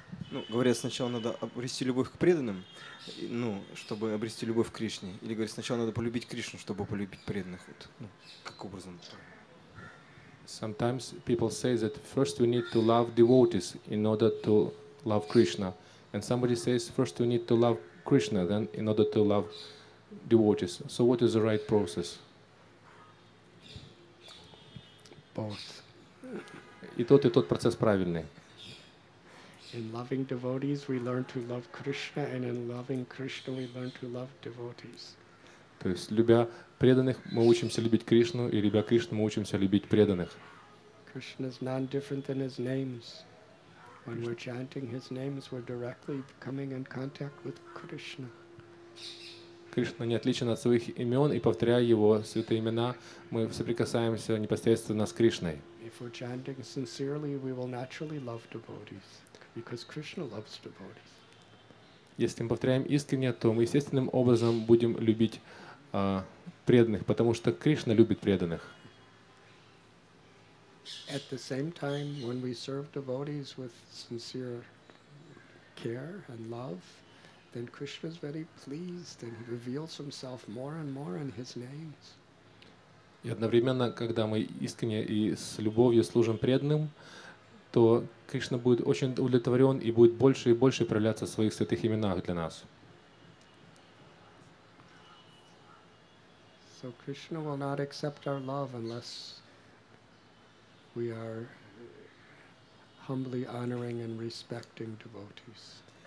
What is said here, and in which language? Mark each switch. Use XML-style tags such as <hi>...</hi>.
<ru>Ну, говорят, сначала надо обрести любовь к преданным, ну, чтобы обрести любовь к Кришне. Или говорят, сначала надо полюбить Кришну, чтобы полюбить преданных. Вот, ну, как образом?</ru> <en>Sometimes people say that first we need to love devotees in order to love Krishna. And somebody says first we need to love Krishna then in order to love devotees. So what is the right process? Both.</en> <ru>И тот процесс правильный.</ru> <en>In loving devotees we learn to love Krishna and in loving Krishna we learn to love devotees.</en> <ru>То есть любя преданных мы учимся любить Кришну и любя Кришну мы учимся любить преданных.</ru> <en>Krishna is non-different than his names. When we're chanting his names, we're directly coming in contact with Krishna.</en> <ru>Кришна не отличен от своих имен, и повторяя его святые имена, мы соприкасаемся непосредственно с Кришной.</ru> <en>If we're chanting sincerely, we will naturally love devotees, because Krishna loves devotees.</en> <ru>Если мы повторяем искренне, то мы естественным образом будем любить преданных, потому что Кришна любит преданных.</ru> <en>At the same time, when we serve devotees with sincere care and love, then Krishna is very pleased and he reveals himself more and more in his names.</en> <ru>И одновременно, когда мы искренне и с любовью служим преданным, то Кришна будет очень удовлетворен и будет больше и больше проявляться в своих святых именах для нас.</ru> <en>So Krishna will not accept our love unless we are humbly honoring and respecting devotees.</en>